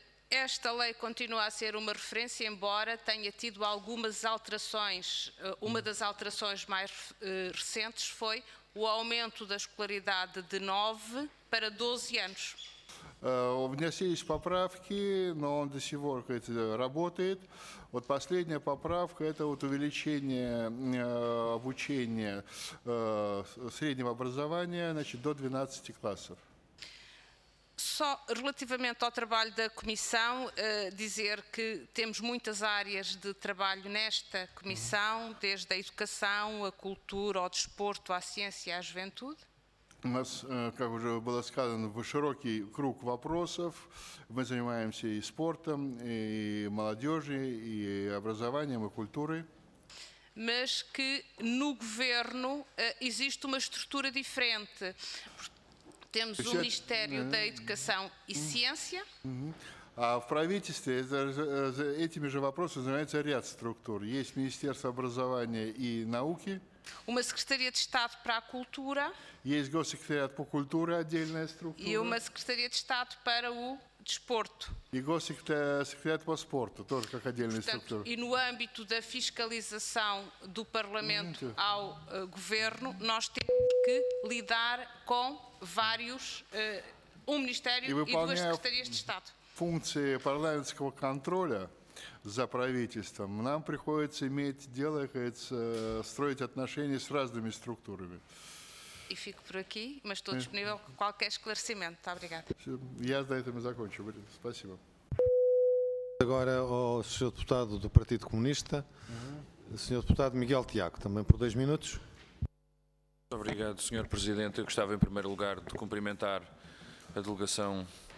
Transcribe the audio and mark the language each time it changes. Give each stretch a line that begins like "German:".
Portuguese: Esta lei continua a ser uma referência, embora tenha tido algumas alterações. Uma das alterações mais recentes foi o aumento da escolaridade de 9 para 12 anos.
Russian: Внеслись поправки, но он до сих пор работает. Вот последняя поправка – это вот увеличение обучения среднего образования, значит, до 12 классов.
Portuguese: Só relativamente ao trabalho da comissão, dizer que temos muitas áreas de trabalho nesta comissão, desde a educação, a cultura, ao desporto, à ciência e à juventude. Nós, como já foi dito, um
Russian: широкий круг вопросов. Мы занимаемся и спортом, и молодежью, и образованием, и культурой.
Portuguese: Mas que no governo existe uma estrutura diferente. Temos o Ministério da Educação e Ciência.
Russian: А в правительстве этими же вопросами занимается ряд структур. Есть Министерство образования и науки.
Portuguese: Uma Secretaria de Estado para a Cultura.
Russian: Есть Госсекретариат по культуре, отдельная структура.
Portuguese: И uma Secretaria de Estado para o Desporto.
Russian: И Госсекретариат по спорту, тоже как отдельная структура.
Portuguese: И no âmbito da fiscalização do Parlamento ao Governo, nós temos que lidar com vários, um Ministério e duas Secretarias de Estado.
Russian: Функции парламентского контроля за правительством, нам приходится иметь дело, строить отношения с разными структурами. И фик про ки, мы что, disponível qualquer esclarecimento.
Portuguese: Obrigada.
Russian: Я за это закончу. Спасибо.
Portuguese: Agora ao senhor deputado do Partido Comunista, senhor deputado Miguel Tiago, também por 2 minutos. Obrigado, senhor presidente. Eu gostava em primeiro lugar de cumprimentar a delegação